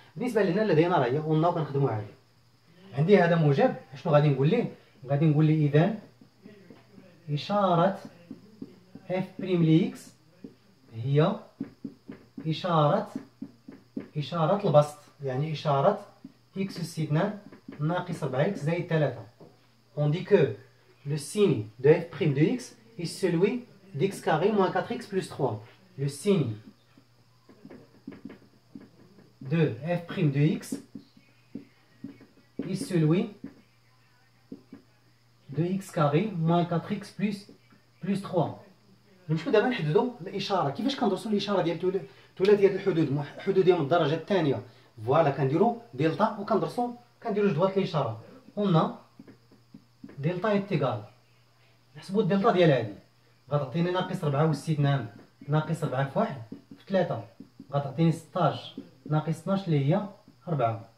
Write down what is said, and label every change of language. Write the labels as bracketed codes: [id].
[ar] بالنسبه لهنا لدينا راه هي قلنا وكنخدموا عليه، عندي هذا موجب، شنو غادي نقول ليه؟ غادي نقول ليه اذا اشاره اف بريم ليكس هي اشاره البسط، يعني اشاره اكس اس 2 ناقص 4 اكس زائد 3. [fr] اون دي كو لو سين دو اف بريم دو اكس اي سولوي x carré moins 4x plus 3. Le signe de f prime de x est celui de x carré moins 4x plus 3. [ar] نمشيو دابا نحددو الاشاره، كيفاش كندرسو الاشاره ديال ثلاثيه ديال الحدود، حدود من الدرجه الثانيه. فوالا كنديرو دلتا وكندرسو كنديرو جدول الاشاره، قلنا دلتا ايتيغال، نحسبو الدلتا ديال هادي، غتعطيني ناقص 4 و 6 نعم ناقص 4 في 1 في 3 غتعطيني 16 ناقص 12 اللي هي 4.